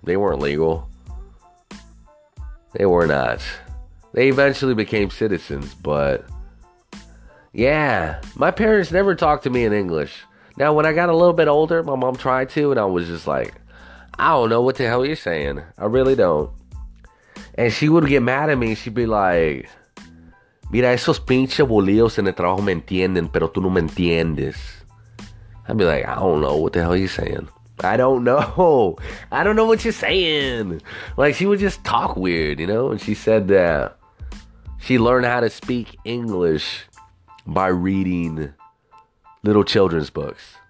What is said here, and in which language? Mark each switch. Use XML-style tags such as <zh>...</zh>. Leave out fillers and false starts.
<en>They weren't legal. They were not. They eventually became citizens, but yeah. My parents never talked to me in English. Now, when I got a little bit older, my mom tried to, and I was just like, I don't know what the hell you're saying. I really don't. And she would get mad at me. She'd be like,</en> <es>mira, esos pinches bolillos en el trabajo me entienden, pero tú no me entiendes.</es> <en>I'd be like, I don't know what the hell you're saying. I don't know. I don't know what you're saying. Like, she would just talk weird, you know? And she said that she learned how to speak English by reading little children's books.</en>